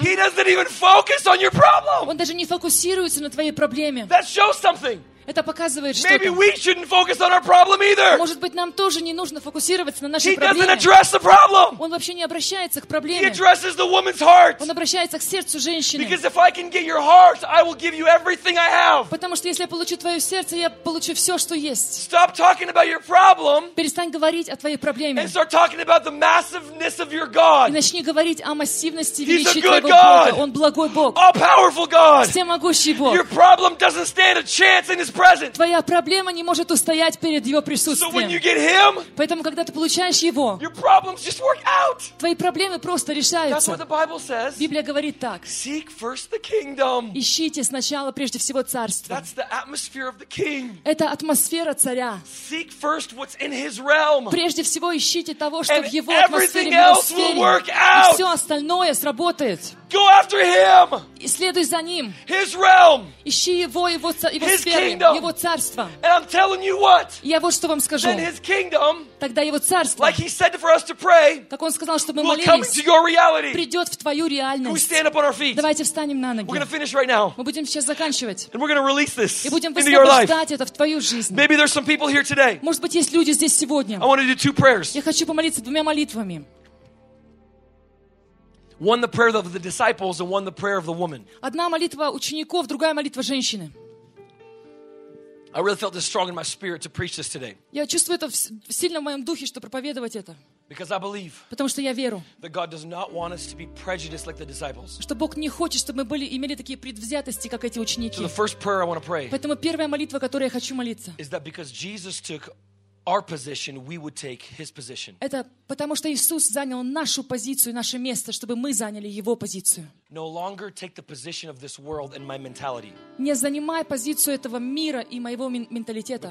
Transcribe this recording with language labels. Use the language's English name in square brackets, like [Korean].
[English] He doesn't even focus on your problem. [Russian] Он даже не фокусируется на твоей проблеме. [English] That shows something. [Russian] Это показывает, что [English] Maybe we shouldn't focus on our problem either. [Russian] Может быть, нам тоже не нужно фокусироваться на нашей [English] He [Russian] проблеме. [English] Doesn't address the problem. [Russian] Он вообще не обращается к проблеме. [English] He addresses the woman's heart. [Russian] Он обращается к сердцу женщины. [English] Because if I can get your heart, I will give you everything I have. [Russian] Потому что если я получу твое сердце, я получу все, что есть. [English] Stop talking about your problem. [Russian] Перестань говорить о твоей проблеме. [English] And start talking about the massiveness of your God. [Russian] И начни говорить о массивности [English] He's [Russian] величия [English] a good [Russian] твоего [English] God. [Russian] Бога. Он благой Бог. [English] All-powerful God. [Russian] Всемогущий Бог. [English] Your problem doesn't stand a chance in His present. [Russian] Твоя проблема не может устоять перед его присутствием. [English] So when you get him, [Russian] поэтому когда ты получаешь его, [English] your problems just work out. [Russian] Твои проблемы просто решаются. [English] That's what the Bible says. [Russian] Библия говорит так. [English] Seek first the kingdom. [Russian] Ищите сначала прежде всего царство. [English] That's the atmosphere of the king. [Russian] Это атмосфера царя. [English] Seek first what's in his realm. [Russian] Прежде всего ищите того, что [English] And [Russian] в его атмосфере, в его сфере. И все остальное сработает. [English] Go after him. [Russian] Следуй за ним. [English] His realm. [Russian] Ищи его, его сферы, [English] his kingdom. [Russian] Его царство. [English] And I'm telling you what. [Russian] Я вот что вам скажу. [English] Then his kingdom. [Russian] Тогда его царство. [English] Like he said for us to pray. [Russian] Как он сказал, чтобы мы [English] will [Russian] молились. [English] Will come into your reality. [Russian] Придет в твою реальность. [English] Can we stand up on our feet? [Russian] Давайте встанем на ноги. [English] We're gonna finish right now. [Russian] Мы будем сейчас заканчивать. [English] And we're gonna release this into your life. [Russian] И будем высвобождать это в твою жизнь. [English] Maybe there's some people here today. [Russian] Может быть, есть люди здесь сегодня. [English] I want to do two prayers. [Russian] Я хочу помолиться двумя молитвами. [English] One the prayer of the disciples and one the prayer of the woman. [Russian] Одна молитва учеников, другая молитва женщины. [English] I really felt this strong in my spirit to preach this today. [Russian] Я чувствую это сильно в моем духе, чтобы проповедовать это. [English] Because I believe. [Russian] Потому что я верю. [English] That God does not want us to be prejudiced like the disciples. [Russian] Что Бог не хочет, чтобы мы были имели такие предвзятости, как эти ученики. [English] So the first prayer I want to pray. [Russian] Поэтому первая молитва, которой я хочу молиться. [English] Is that because Jesus took our position, we would take his position. [Russian] Это потому что Иисус занял нашу позицию, наше место, чтобы мы заняли его позицию. [English] No longer take the position of this world and my mentality. [Russian] Не занимай позицию этого мира и моего менталитета.